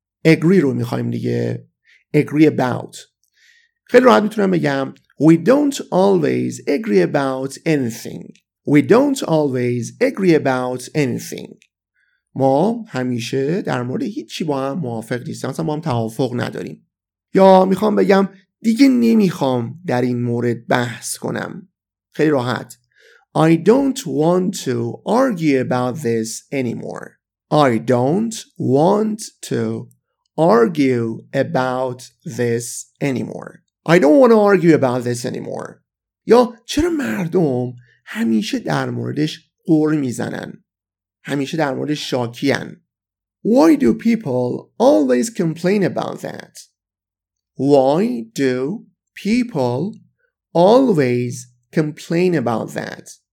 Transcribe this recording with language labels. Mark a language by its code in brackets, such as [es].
[en] agree [fa] رو میخوایم دیگه. [en] agree about. [fa] خیلی راحت میتونم بگم [en] We don't always agree about anything. We don't always agree about anything. [fa] ما همیشه در مورد هیچی با هم موافق نیستیم. مثلا ما هم توافق نداریم. یا میخوام بگم دیگه نمیخوام در این مورد بحث کنم. خیلی راحت. [en] I don't want to argue about this anymore. I don't want to argue about this anymore. I don't want to argue about this anymore. [fa] یا چرا مردم همیشه در موردش غر میزنن؟ همیشه در موردش شاکیان. [en] Why do people always complain about that? Why do people always complain about that?